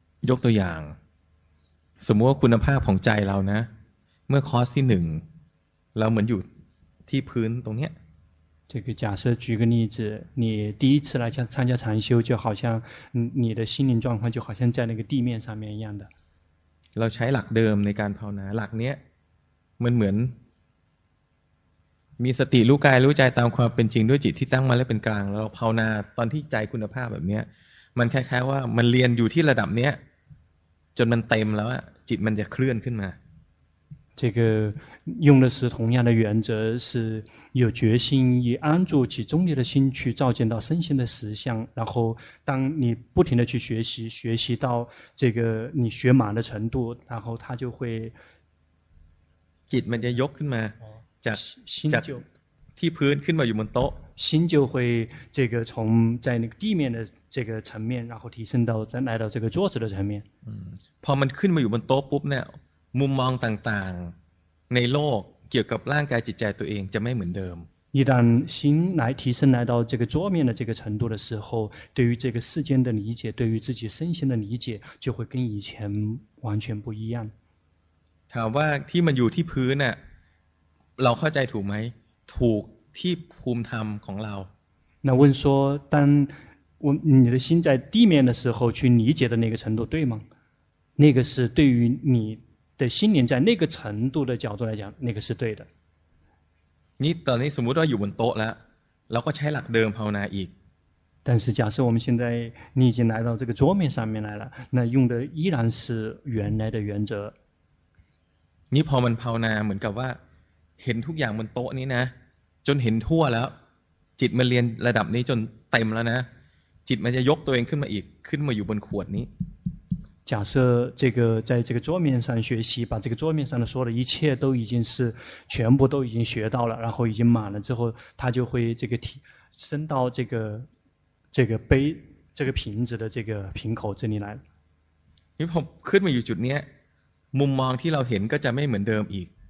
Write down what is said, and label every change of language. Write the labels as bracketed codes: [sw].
[th] ยกตัวอย่างสมมติว่าคุณภาพของใจเรานะเมื่อคอร์สที่หนึ่งเราเหมือนอยู่ที่พื้นตรงนี้ [zh] 这个假设举个例子你第一次来参加禅修就好像你的心灵状况就好像在那个地面上面一样的 [th] เราใช้หลักเดิมในการภาวนาหลักนี้มันเหมือนมีสติรู้กายรู้ใจตามความเป็นจริงด้วยจิตที่ตั้งมาและเป็นกลางเราภาวนาตอนที่ใจคุณภาพแบบนี้มันคล้ายๆว่ามันเรียนอยู่ที่ระดับนี้จนมันเต็มแล้วจิตมันจะเคลื่อนขึ้นมา [zh] 这个用的是同样的原则是有决心以安住其中立的心去照见到身心的实相然后当你不停的去学习到这个你学满的程度然后它就会 [th] จิตมันจะยกขึ้นมาจาก จาก ที่พื้นขึ้นมาอยู่บนโต๊ะ [zh] 心就会这个从在那个地面的这个层面，然后提升到再来到这个桌子的层面。 [th] 嗯，พอมันขึ้นมาอยู่บนโต๊ะปุ๊บเนี่ยมุมมองต่างๆในโลกเกี่ยวกับร่างกายจิตใจตัวเองจะไม่เหมือนเดิม [zh] 一旦心来提升来到这个桌面的这个程度的时候，对于这个世间的理解，对于自己身心的理解，就会跟以前完全不一样。 [th] ถามว่าที่มันอยู่ที่พื้นเนี่ยเราเข้าใจถูกไหมถูกที่ภูมิธรรมของเรา [zh] 那问说当我你的心在地面的时候去理解的那个程度对吗那个是对于你的心灵在那个程度的角度来讲那个是对的 [th] 你ตอนนี้สมมุติว่าอยู่บนโต๊ะแล้วเราก็ใช้หลักเดิมภาวนาอีก [zh] 但是假设我们现在你已经来到这个桌面上面来了那用的依然是原来的原则 [th] นี่พอมันภาวนาเหมือนกับว่าเห็นทุกอย่างบนโต๊ะนี้นะจนเห็นทั่วแล้วจิตมันเรียนระดับนี้จนเต็มแล้วนะจิตมันจะยกตัวเองขึ้นมาอีกขึ้นมาอยู่บนขวดนี้ [zh] 假设这个在这个桌面上学习把这个桌面上的所有的一切都已经是全部都已经学到了然后已经满了之后它就会这个提升到这个这个杯这个瓶子的这个瓶口这里来 [th] 因为ขึ้นมาอยู่จุดนี้มุมมองที่เราเห็นก็จะไม่เหมือนเดิมอีก